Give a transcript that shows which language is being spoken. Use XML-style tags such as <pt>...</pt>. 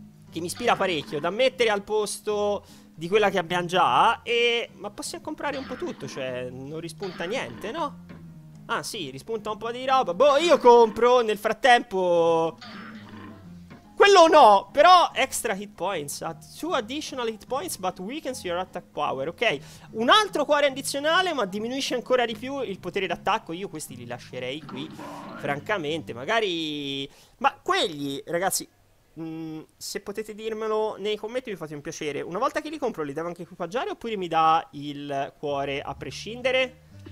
<it>Che mi ispira parecchio, da mettere al posto di quella che abbiamo già. E... ma possiamo comprare un po' tutto, cioè non rispunta niente, no? Ah sì, rispunta un po' di roba. Boh, io compro nel frattempo. Quello no, però</it> <en>extra hit points. Two additional hit points but weakens your attack power, ok.</en> <it>Un altro cuore addizionale ma diminuisce ancora di più il potere d'attacco. Io questi li lascerei qui, francamente. Magari... ma quelli, ragazzi... se potete dirmelo nei commenti mi fate un piacere. Una volta che li compro li devo anche equipaggiare oppure mi dà il cuore a prescindere?</it>